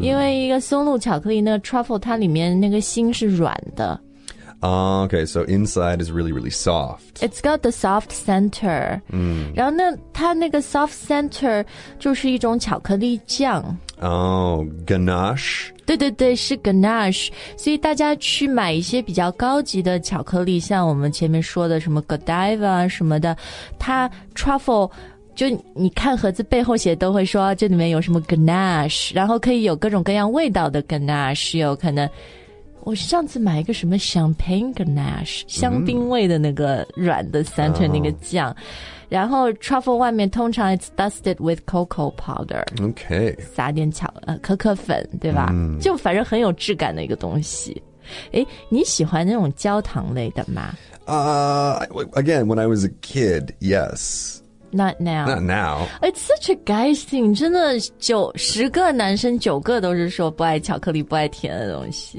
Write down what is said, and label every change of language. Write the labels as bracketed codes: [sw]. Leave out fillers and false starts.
[zh] 因为一个松露巧克力那个 truffle 它里面那个心是软的。 [en] Okay, so inside is really, really soft. It's got the soft center.、 Mm. [zh] 然后那它那个 soft center 就是一种巧克力酱。 [en] Ganache? [zh] 对对对，是 ganache. 所以大家去买一些比较高级的巧克力，像我们前面说的什么 Godiva 什么的，它 truffle... 就你看盒子背后写都会说这里面有什么 ganache, 然后可以有各种各样味道的 ganache, 有可能我上次买一个什么 champagne ganache, 香槟味的那个软的 center、mm-hmm. 那个酱、oh. 然后 truffle 外面通常 [en] it's dusted with cocoa powder, OK, [zh] 撒点巧、可可粉对吧、mm-hmm. 就反正很有质感的一个东西。诶，你喜欢那种焦糖类的吗？ [en] Again, when I was a kid, yes. Not now. It's such a guy thing. [zh] 真的十个男生九个都是说不爱巧克力不爱甜的东西。